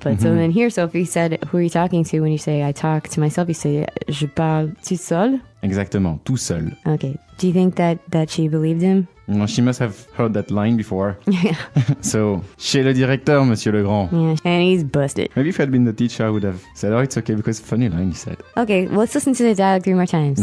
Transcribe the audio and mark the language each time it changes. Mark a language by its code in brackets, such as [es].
[en] But mm-hmm. so then here, Sophie said, who are you talking to? When you say, I talk to myself, you say, [fr] je parle tout seul? Exactement, tout seul. [en] Okay, do you think that she believed him? Well, she must have heard that line before. Yeah. [fr] So, chez le directeur, monsieur le grand. [en] Yeah, and he's busted. Maybe if I'd been the teacher, I would have said, oh, it's okay, because funny line, he said. Okay, well, let's listen to the dialogue 3 more times.